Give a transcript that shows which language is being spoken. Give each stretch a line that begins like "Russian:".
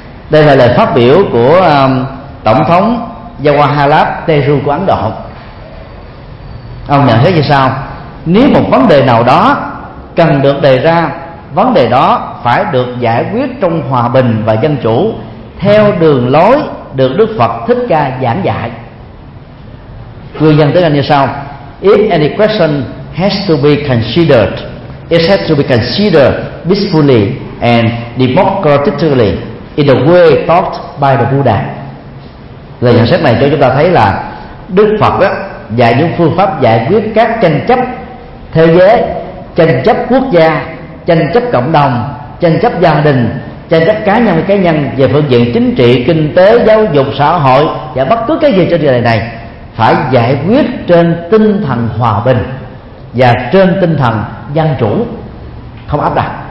Vietnamese: Đây là lời phát biểu của Tổng thống Jawaharlal Nehru của Ấn Độ. Ông nhận thấy như sau: nếu một vấn đề nào đó cần được đề ra, vấn đề đó phải được giải quyết trong hòa bình và dân chủ theo đường lối được Đức Phật Thích Ca giảng dạy. Nguyên văn tiếng Anh như sau:
English: if any question has to be considered, it has to be considered peacefully and democratically in the way taught by the Buddha.
Vietnamese: Lời nhận xét này cho chúng ta thấy là Đức Phật đó dạy những phương pháp giải quyết các tranh chấp thế giới, tranh chấp quốc gia, tranh chấp cộng đồng, tranh chấp gia đình, tranh chấp cá nhân với cá nhân, về phương diện chính trị, kinh tế, giáo dục, xã hội và bất cứ cái gì trên đời này phải giải quyết trên tinh thần hòa bình và trên tinh thần dân chủ, không áp đặt.